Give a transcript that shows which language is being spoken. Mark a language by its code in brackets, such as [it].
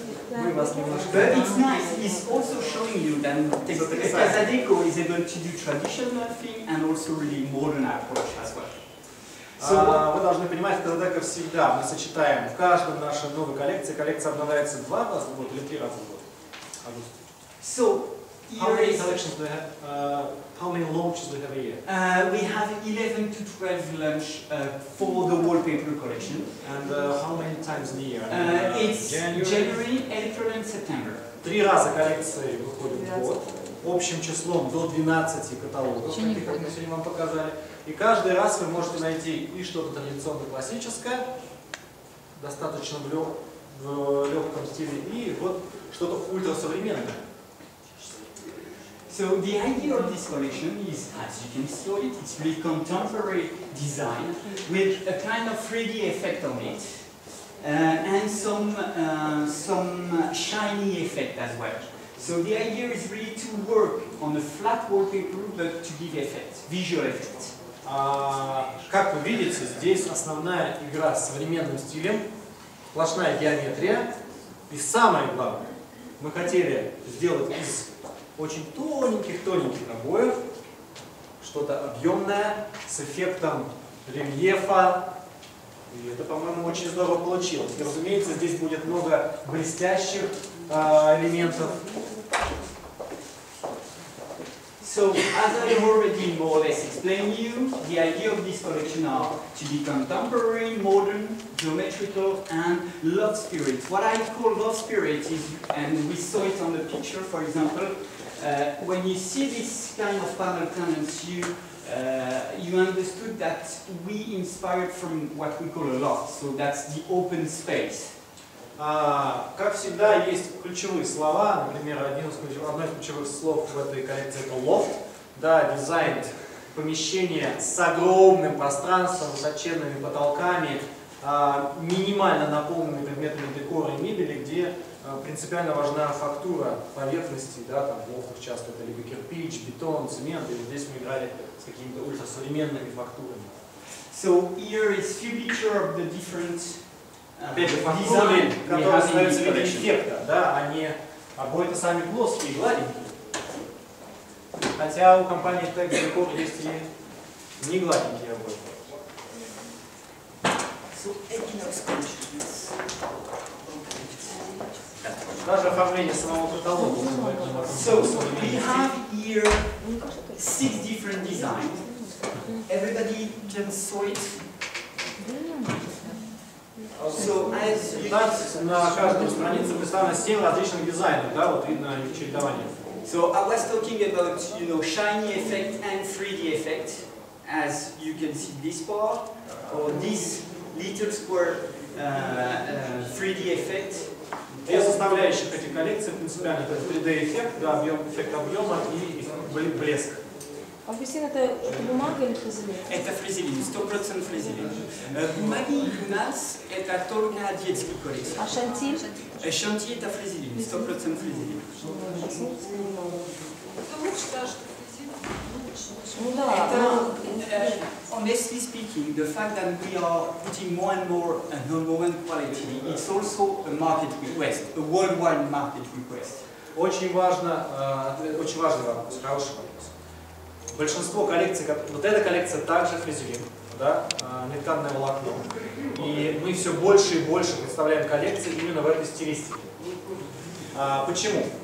[en] But it's nice, it's also showing you that Casadeco is able to do traditional thing and also really modern approach as well. [ru] So, вы должны понимать, что Казадеко всегда мы сочетаем в каждой нашей новой коллекции. Коллекция обновляется 2 раза в год или 3 раза в год. [en] So, how many collections do we have? How many launches do we have a year? We have 11 to 12 launches for the wallpaper collection. And how many times in a year? It's January, April and September. [ru] 3 раза коллекции выходит в год. Общим числом до 12 каталогов, как мы сегодня вам показали. И каждый раз вы можете найти и что-то традиционное классическое, достаточно в легком стиле, и вот что-то ультрасовременное. [en] So the idea of this collection is, as you can see, it's really contemporary design with a kind of 3D effect on it and some shiny effect as well. So the idea is really to work on a flat wallpaper but to give effect, visual effect. [ru] Как вы видите, здесь основная игра с современным стилем, сплошная геометрия. И самое главное, мы хотели сделать из очень тоненьких-тоненьких обоев что-то объемное с эффектом рельефа. И это, по-моему, очень здорово получилось. И, разумеется, здесь будет много блестящих элементов. [en] So, as I already more or less explained you, the idea of this collection are to be contemporary, modern, geometrical, and love spirit. What I call love spirit is, and we saw it on the picture, for example, when you see this kind of panel tenants, you understood that we inspired from what we call a loft, so that's the open space. [ru] Как всегда, есть ключевые слова, например, одно из ключевых слов в этой коллекции – это лофт. Да, дизайн помещения с огромным пространством, высоченными потолками, минимально наполненными предметами декора и мебели, где принципиально важна фактура поверхности, да, там в лофтах часто это либо кирпич, бетон, цемент, и здесь мы играли с какими-то ультрасовременными фактурами. [en] So, here is few picture of the different [ru] фактуры, которые остаются в виде эффекта, да, они обои-то сами плоские и гладенькие. Хотя у компании Tech Deco есть и не гладенькие обои. [en] So, Equinox. [ru] Даже оформление самого каталога. [en] So, we have here 6 different designs. Everybody can saw it. So, as you can [ru] на каждой странице представлено 7 различных дизайнов, да, вот видно их чередование. [en] So, I was talking about, you know, shiny effect and 3D effect, as you can see this part, or this little square 3D effect. [ru] Две составляющих этих коллекций принципиально, это 3D-эффект, да, эффект объема и блеск. А фрезин это бумага или фрезелин? Это фрезелин, 100% фрезелин. Бумаги у нас это только детские коллекции. А шанти? Шанти это фрезелин, 100% фрезелин. Потому что фрезин... [en] On honestly speaking, the fact that we are putting more and more a non-woven quality, it's also a market request, a worldwide market request. [ru] Очень важно вопрос, хороший вопрос. Большинство коллекций, вот эта коллекция также фрезерин, да, нетканное волокно. И мы все больше и больше представляем коллекции именно в этой стилистике. Почему?